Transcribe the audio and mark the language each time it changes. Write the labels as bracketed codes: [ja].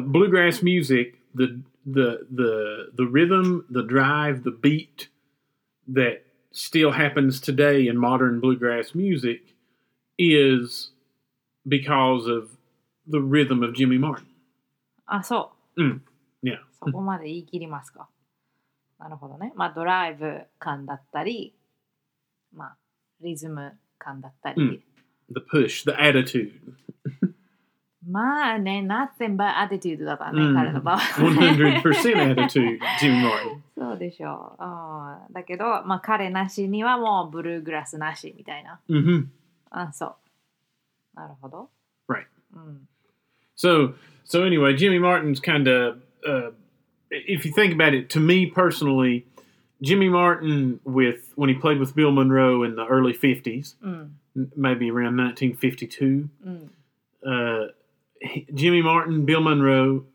[en] Bluegrass music, the rhythm, the drive, the beat that still happens today in modern bluegrass music is because of the rhythm of Jimmy Martin. Ah, so. Mm. Yeah. [ja] そこまで言い切りますか。なるほどね。まあ、ドライブ感だったり。まあ、リズム感だったり。 [en] Mm. The push, the attitude. [ja] まあね、 [en] nothing but attitude [ja] だからね、彼の場合。 [en] 100% attitude, Jim Martin. [ja] そうでしょう。だけど、まあ彼なしにはもうブルーグラスなしみたいな。 Mm-hmm. あ、そう。なるほど。 [en] Right.、 [ja] うん、 [en] So anyway, Jimmy Martin's kind of, if you think about it, to me personally,Jimmy Martin, when he played with Bill Monroe in the early 50s, maybe around 1952, Jimmy Martin, Bill Monroe,